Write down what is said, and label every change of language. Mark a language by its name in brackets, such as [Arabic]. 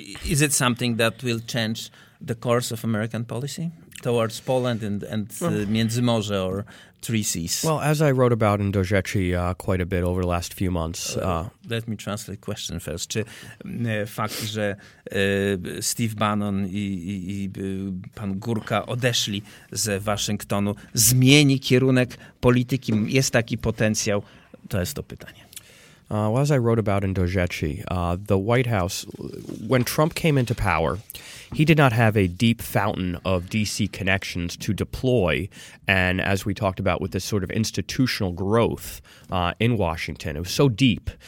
[English] Is it something that will change the course of American policy towards Poland and Międzymorze or Three Seas? Well, as I wrote about in Dojeci quite a bit over the last few months. Let me translate the question first. [Polish] Czy fakt, że Steve Bannon i pan Gurka odeszli z Waszyngtonu, zmieni kierunek polityki? Jest taki potencjał? To jest to pytanie. [English] Well, as I wrote about in Dojeci, the White House, when Trump came into power, he did not have a deep fountain of D.C. connections to deploy. And as we talked about with this sort of institutional growth in Washington, it was so deep.